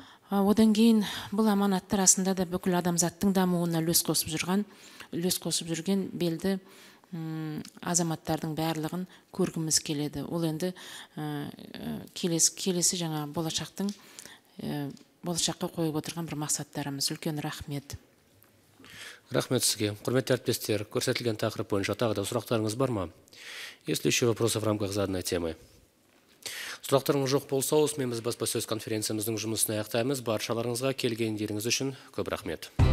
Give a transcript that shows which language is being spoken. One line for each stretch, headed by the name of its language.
Kazakh: Одан кейін бұл аманаттар арасында да бүкіл адамзаттың дамуына үлес қосып жүрген белді азаматтардың барлығын көргіміз келеді. Ол енді келесі жаңа болашаққа қойып отырған бір мақсаттарымыз. Үлкен рахмет. Рахмет сізге. Құрметті әріптестер, көрсетілген тақырып бойынша тағы да сұрақтарыңыз бар ма?
Russian: Есть ли еще вопросы в рамках заданной темы?
Kazakh: Сұрақтарыңыз жоқ болса, осымен біз баспасөз конференциямыздың жұмысын аяқтаймыз. Баршаларыңызға келгендеріңіз үшін көп рахмет.